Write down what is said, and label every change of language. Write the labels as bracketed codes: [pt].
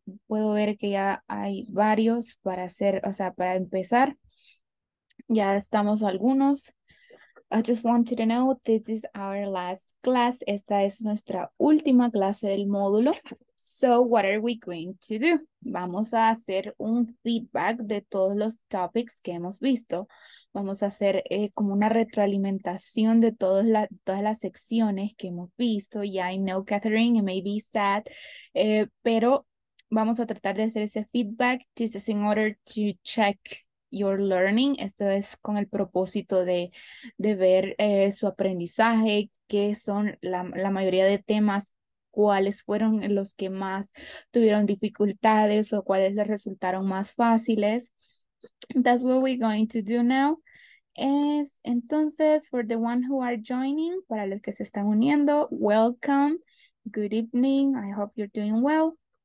[es] Puedo ver que ya hay varios para hacer, o sea, para empezar. Ya estamos algunos. [en] I just want you to know this is our last class. [es] Esta es nuestra última clase del módulo. [en] So, what are we going to do? [es] Vamos a hacer un feedback de todos los topics que hemos visto. Vamos a hacer como una retroalimentación de todas las secciones que hemos visto. [en] Yeah, I know, Catherine, it may be sad, [es] pero vamos a tratar de hacer ese feedback. [en] This is in order to check your learning. [es] Esto es con el propósito de ver su aprendizaje, qué son la mayoría de temas, cuáles fueron los que más tuvieron dificultades o cuáles les resultaron más fáciles. [en] That's what we're going to do now. [es] Entonces, [en] for the one who are joining, [es] para los que se están uniendo, [en] welcome, good evening, I hope you're doing well.